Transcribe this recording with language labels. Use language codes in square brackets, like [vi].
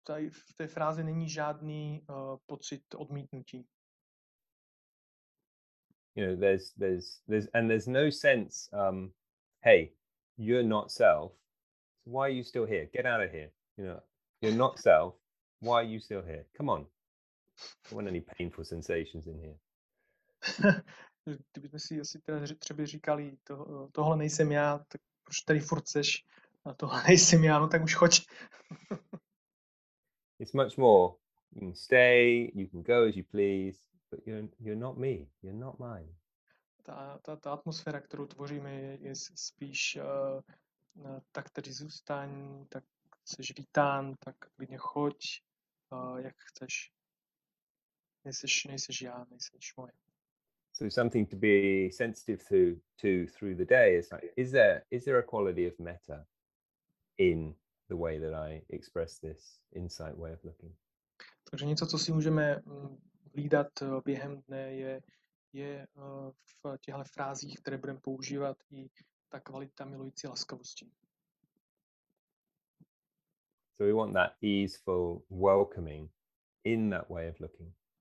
[cs] V té frázi není žádný pocit odmítnutí. [en] You know, there's no sense, hey, you're not self, so why are you still here? Get out of here. You know, you're not self, why are you still here? Come on. I don't want any painful sensations in here. [cs] Kdybychom si asi třeba říkali, tohle nejsem já, tak proč tady furt seš, a tohle nejsem já, no tak už choď. [en] It's much more, you can stay, you can go as you please. But you're not me, you're not mine. [cs] Ta atmosféra, kterou tvoříme, je spíš tak tady zůstaň, tak seš vítán, tak klidně choď, jak chceš. Nejseš já, nejseš moje. [en] So something to be sensitive to through the day is like, is there a quality of metta in the way that I express this insight way of looking? [cs] Takže něco, co si můžeme hlídat během dne, je v těchto frázích, které budeme používat, i ta kvalita milující laskavosti. [en] So we want that easeful welcoming in that way of looking.